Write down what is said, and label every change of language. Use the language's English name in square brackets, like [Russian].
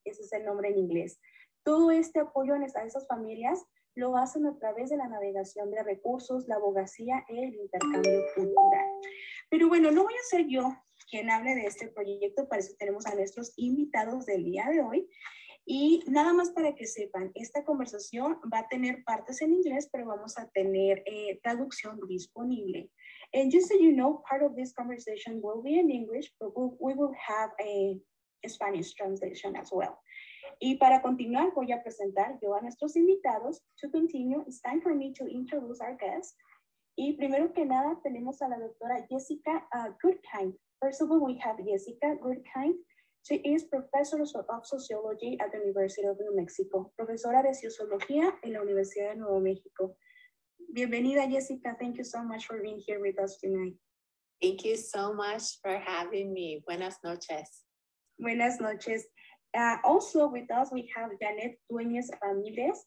[Spanish] Ese es el nombre en inglés. Todo este apoyo a esas familias lo hacen a través de la navegación de recursos, la abogacía y el intercambio cultural. Pero bueno, no voy a ser yo quien hable de este proyecto, para eso tenemos a nuestros invitados del día de hoy. Y nada más para que sepan, esta conversación va a tener partes en inglés, pero vamos a tener traducción disponible. [English] And just so you know, part of this conversation will be in English, but we will have a Spanish translation as well. [Spanish] Y para continuar, voy a presentar yo a nuestros invitados. [English] To continue, it's time for me to introduce our guests. [Spanish] Y primero que nada, tenemos a la doctora Jessica Goodkind. [English] First of all, we have Jessica Goodkind. She is Professor of Sociology at the University of New Mexico. [Spanish] Profesora de Sociología en la Universidad de Nuevo México. Bienvenida, Jessica. [English] Thank you so much for being here with us tonight. Thank you so much for having me. [Spanish] Buenas noches. Buenas noches. [English] Also with us, we have Janet Dueñez Ramírez.